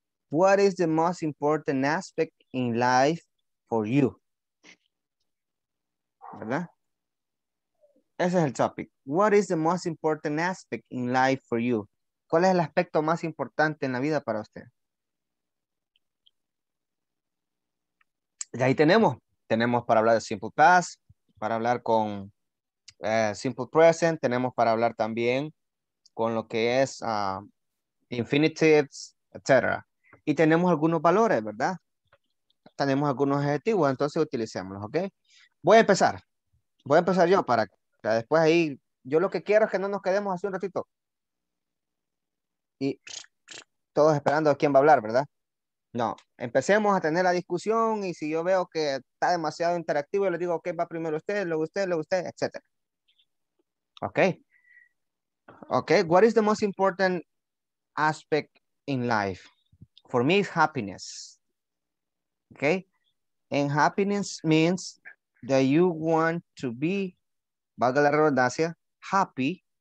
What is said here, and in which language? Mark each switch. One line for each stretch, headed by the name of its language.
English: What is the most important aspect in life for you?
Spanish: ¿Verdad? Ese es el topic.
English: What is the most important aspect in life for you?
Spanish: ¿Cuál es el aspecto más importante en la vida para usted? Y ahí tenemos. Tenemos para hablar de simple past, para hablar con simple present. Tenemos para hablar también con lo que es infinitives, etc. Y tenemos algunos valores, ¿verdad? Tenemos algunos adjetivos, entonces utilicémoslos, ¿ok? Voy a empezar. Voy a empezar yo para después ahí. Yo lo que quiero es que no nos quedemos así un ratito. Y todos esperando a quién va a hablar, ¿verdad? No, empecemos a tener la discusión y si yo veo que está demasiado interactivo, yo le digo, ok, va primero usted, luego usted, etc. Ok.
English: Ok, what is the most important aspect in life? For me, it's happiness. Ok. And happiness means that you want to be,
Spanish: valga la redundancia,
English: happy.